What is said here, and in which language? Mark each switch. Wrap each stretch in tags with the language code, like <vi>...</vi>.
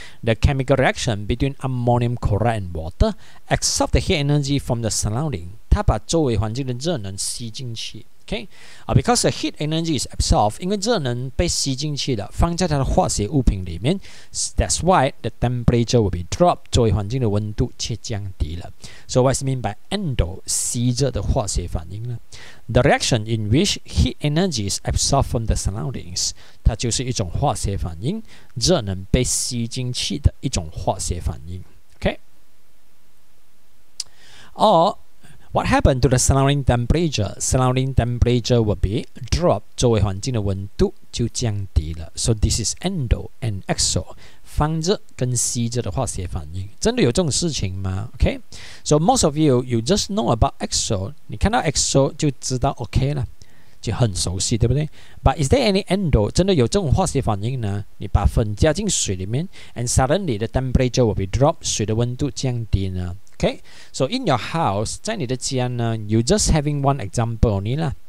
<en>The chemical reaction between ammonium chloride and water absorbs the heat energy from the surrounding.</en> <zh>它把周围环境的热能吸进去。</zh> <en>Okay, because the heat energy is absorbed,</en> <zh>因为热能被吸进去了，放在它的化学物品里面。</zh> <en>That's why the temperature will be dropped.</en> <zh>周围环境的温度却降低了。</zh> <en>So what's mean by endo?</en> <zh>吸热的化学反应呢？</zh> <en>The reaction in which heat energy is absorbed from the surroundings.</en> <zh>它就是一种化学反应，热能被吸进去的一种化学反应。Okay. Or</zh> <en>What happened to the surrounding temperature? Surrounding temperature would be drop.</en> <zh>周围环境的温度就降低了。</zh> <en>So this is endo and exo.</en> <zh>方着跟西着的化学反应。真的有这种事情吗 ？Okay.</zh> <en>So most of you, you just know about exo.</en> <zh>你看到 exo 就知道 okay 了。就很熟悉对不对</zh> <en>But is there any endo</en> <zh>真的有这种化学反应呢你把粉加进水里面</zh> <en>And suddenly the temperature will be dropped</en> <zh>水的温度降低呢 OK</zh> <en>So in your house</en> <zh>在你的家呢</zh> <en>You just having one example only lah.</en>